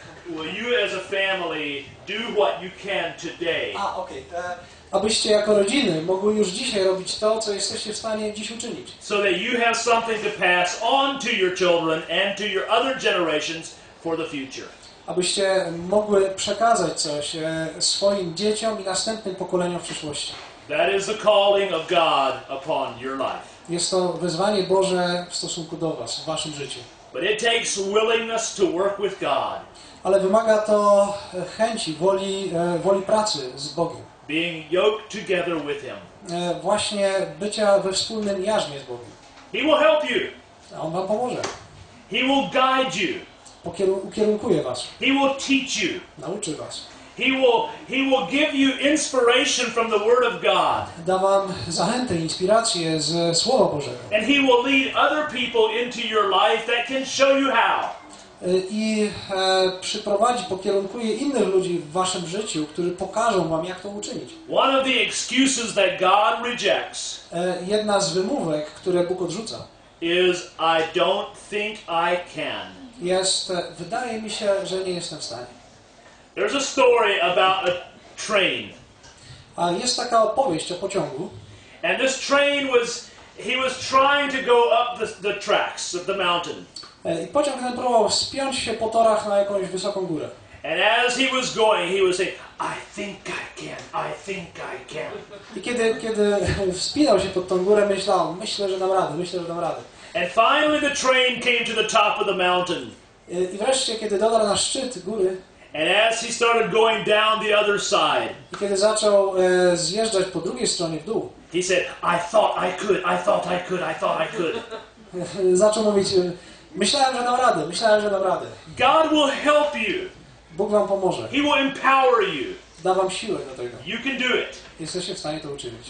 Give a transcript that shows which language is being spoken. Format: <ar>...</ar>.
<en>Will you as a family do what you can today? Okay.</en> <pl>Abyście jako rodziny mogły już dzisiaj robić to, co jesteście w stanie dziś uczynić.</pl> <en>So that you have something to pass on to your children and to your other generations for the future.</en> <pl>Abyście mogły przekazać coś swoim dzieciom i następnym pokoleniom w przyszłości.</pl> <en>That is the calling of God upon your life.</en> <pl>Jest to wezwanie Boże w stosunku do was, w waszym życiu.</pl> <en>But it takes willingness to work with God.</en> <pl>Ale wymaga to chęci, woli pracy z Bogiem.</pl> <en>Being yoked together with him.</en> <pl>Właśnie bycia we wspólnym jarzmie z Bogiem.</pl> <en>He will help you.</en> <pl>On wam pomoże.</pl> <en>He will guide you.</en> <pl>Ukierunkuje was.</pl> <en>He will teach you.</en> <pl>Nauczy was.</pl> <en>He will give you inspiration from the Word of God.</en> <pl>Da wam zachętę, inspirację z Słowa Bożego.</pl> <en>And he will lead other people into your life that can show you how.</en> <pl>i przyprowadzi, pokierunkuje innych ludzi w waszym życiu, którzy pokażą wam, jak to uczynić.</pl> <en>One of the excuses that God rejects.</en> <pl>Jedna z wymówek, które Bóg odrzuca.</pl> <en>Is I don't think I can.</en> <pl>Jest, wydaje mi się, że nie jestem w stanie.</pl> <en>There's a story about a train.</en> <pl>A jest taka opowieść o pociągu.</pl> <en>And this train was, he was trying to go up the tracks of the mountain.</en> <pl>I pociąg ten próbował wspiąć się po torach na jakąś wysoką górę.</pl> <en>And as he was going, he was saying, I think I can, I think I can.</en> <pl>I kiedy wspinał się pod tą górę, myślał, myślę, że dam radę, myślę, że dam radę.</pl> <en>And finally the train came to the top of the mountain.</en> <pl>I wreszcie, kiedy dotarł na szczyt góry,</pl> <en>and as he started going down the other side,</en> <pl>i kiedy zaczął zjeżdżać po drugiej stronie w dół,</pl> <en>he said, I thought I could, I thought I could, I thought I could.</en> <pl>Zaczął mówić, myślałem, że dam radę, myślałem, że dam radę.</pl> <en>God will help you.</en> <pl>Bóg wam pomoże.</pl> <en>He will empower you.</en> <pl>Da wam siłę do tego.</pl> <en>You can do it.</en> <pl>Jesteście w stanie to uczynić.</pl>